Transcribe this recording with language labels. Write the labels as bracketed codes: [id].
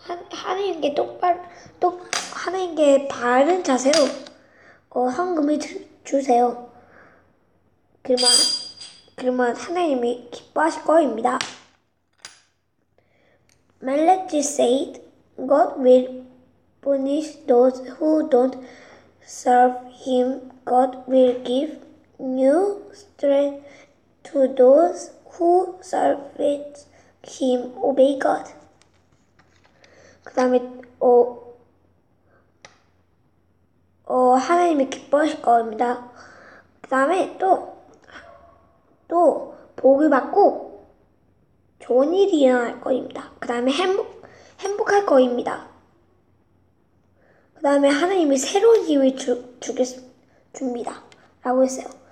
[ko] 하나님께 하나님께 바른 자세로 헌금을 주세요. 그러면 하나님이 기뻐하실 거입니다. [en] Malachi said, God will punish those who don't serve him. God will give new strength to those who serve him. Obey God. [ko] 그 다음에, 하나님이 기뻐하실 겁니다. 그 다음에 또, 복을 받고 좋은 일이 일어날 겁니다. 그 다음에 행복할 겁니다. 그 다음에 하나님이 새로운 힘을 줍니다. 라고 했어요.